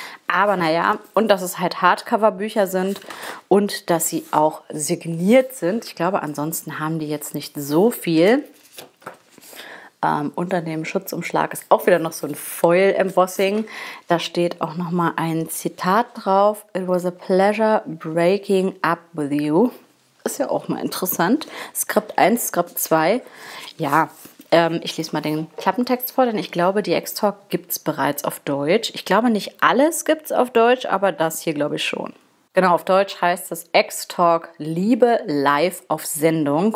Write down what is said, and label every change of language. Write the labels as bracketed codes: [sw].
[de] Aber naja, und dass es halt Hardcover-Bücher sind und dass sie auch signiert sind. Ich glaube, ansonsten haben die jetzt nicht so viel. Unter dem Schutzumschlag ist auch wieder noch so ein Foil-Embossing. Da steht auch nochmal ein Zitat drauf. [en] It was a pleasure breaking up with you. [de] Ist ja auch mal interessant. Skript 1, Skript 2. Ja, ich lese mal den Klappentext vor, denn ich glaube, die X-Talk gibt es bereits auf Deutsch. Ich glaube, nicht alles gibt es auf Deutsch, aber das hier glaube ich schon. Genau, auf Deutsch heißt es X-Talk Liebe live auf Sendung.